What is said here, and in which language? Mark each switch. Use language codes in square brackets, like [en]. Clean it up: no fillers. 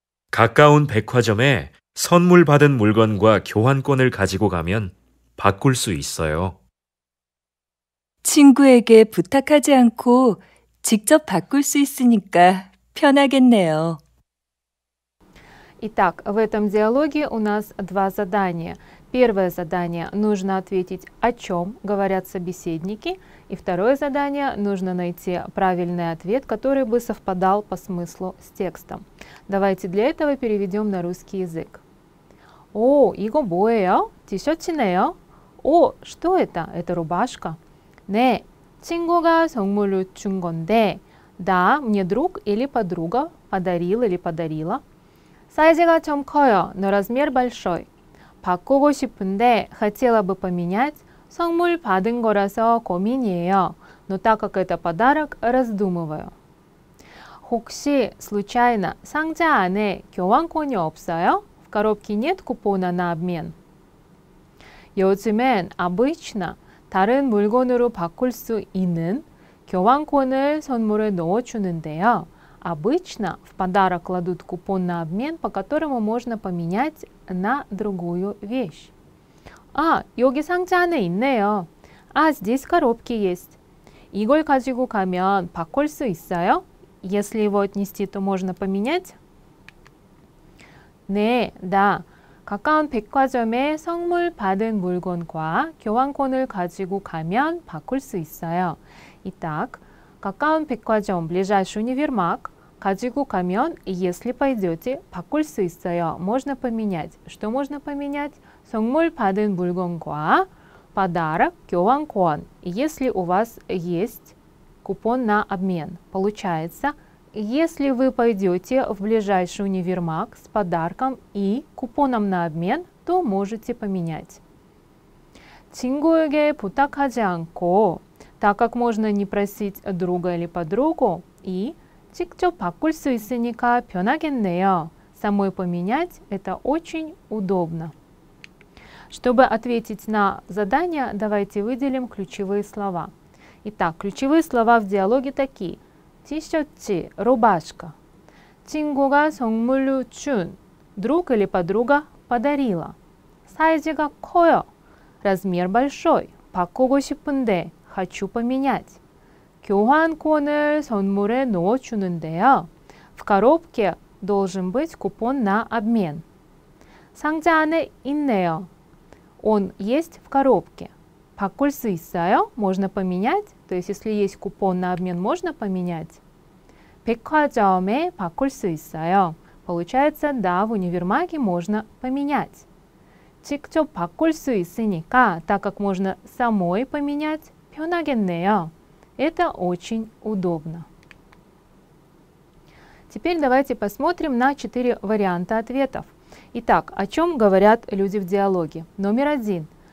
[ko] 가까운 백화점에 선물 받은 물건과 교환권을 가지고 가면 바꿀 수 있어요. 친구에게 부탁하지 않고 직접 바꿀 수 있으니까 편하겠네요. [ru] Итак, в этом диалоге у нас два задания. Первое задание – нужно ответить, о чем говорят собеседники. И второе задание – нужно найти правильный ответ, который бы совпадал по смыслу с текстом. Давайте для этого переведем на русский язык. О, [ko] 이거 뭐예요? 티셔츠네요. [ru] О, что это? Это рубашка. [ko] 네, 친구가 선물을 준 건데. [ru] Да, мне друг или подруга подарил или подарила. [ko] 사이즈가 좀 커요. [ru] Но размер большой. [ko] 바꾸고 싶은데, [ru] хотела бы поменять. [ko] 선물 받은 거라서 고민이에요. [ru] Но так как это подарок, раздумываю. [ko] 혹시 [ru] случайно [ko] 상자 안에 교환권이 없어요? [ru] В коробке нет купона на обмен. [ko] 요즘엔 [ru] обычно [ko] 다른 물건으로 바꿀 수 있는 교환권을 선물에 넣어주는데요. [ru] Обычно в подарок кладут купон на обмен, по которому можно поменять на другую вещь. [ko] 아, 여기 상자 안에 있네요. 아, [ru] здесь коробки есть. [ko] 이걸 가지고 가면 바꿀 수 있어요? [ru] Если его отнести, то можно поменять? [ko] 네, 나 가까운 백화점에 선물 받은 물건과 교환권을 가지고 가면 바꿀 수 있어요. [ru] Итак, [ko] 가까운 백화점, [ru] ближайший универмаг, [ko] 가지고 가면, [ru] если пойдете, [ko] 바꿀 수 있어요. [ru] Можно поменять. Что можно поменять? [ko] 선물 받은 물건과 подарок, 교환권. [ru] Если у вас есть купон на обмен, получается, если вы пойдете в ближайший универмаг с подарком и купоном на обмен, то можете поменять. [ko] 친구에게 부탁하지 않고, [ru] так как можно не просить друга или подругу, и [ko] 직접 바꿀 수 있으니까 편하겠네요. [ru] Самой поменять это очень удобно. Чтобы ответить на задание, давайте выделим ключевые слова. Итак, ключевые слова в диалоге такие. 티셔츠, рубашка. [ko] 친구가 선물로 준, [ru] друг или подруга подарила. [ko] 사이즈가 커요, [ru] размер большой. [ko] 바꾸고 싶은데, [ru] хочу поменять. [ko] 교환권을 선물에 넣어주는데요. [ru] В коробке должен быть купон на обмен. [ko] 상자 안에 있네요. [ru] Он есть в коробке. [ko] 바꿀 수 있어요? [ru] Можно поменять? То есть, если есть купон на обмен, можно поменять? [ko] 백화점에 바꿀 수 있어요. [ru] Получается, да, в универмаге можно поменять. [ko] 직접 바꿀 수 있으니까, [ru] так как можно самой поменять, [ko] 편하겠네요. [ru] Это очень удобно. Теперь давайте посмотрим на 4 варианта ответов. Итак, о чем говорят люди в диалоге? Номер один.